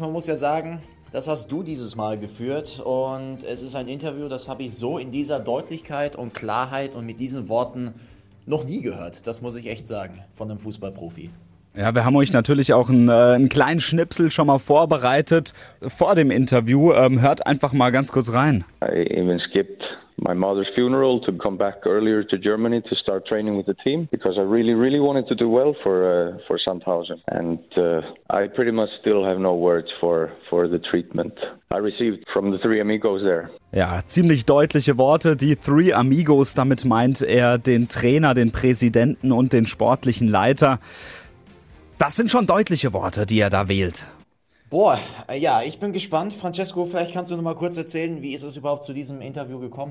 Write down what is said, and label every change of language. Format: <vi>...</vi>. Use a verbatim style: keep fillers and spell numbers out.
<de>Man muss ja sagen, das hast du dieses Mal geführt. Und es ist ein Interview, das habe ich so in dieser Deutlichkeit und Klarheit und mit diesen Worten noch nie gehört. Das muss ich echt sagen, von einem Fußballprofi. Ja, wir haben euch natürlich auch einen, äh, einen kleinen Schnipsel schon mal vorbereitet vor dem Interview. Ähm, hört einfach mal ganz kurz rein.</de> <en>I even skipped my mother's funeral to come back earlier to Germany to start training with the team because I really, really wanted to do well for uh, for Sandhausen. And uh, I pretty much still have no words for, for the treatment I received from the three amigos there.</en> <de>Ja, ziemlich deutliche Worte. Die Three Amigos, damit meint er den Trainer, den Präsidenten und den sportlichen Leiter. Das sind schon deutliche Worte, die er da wählt. Boah, ja, ich bin gespannt. Francesco, vielleicht kannst du noch mal kurz erzählen, wie ist es überhaupt zu diesem Interview gekommen?</de>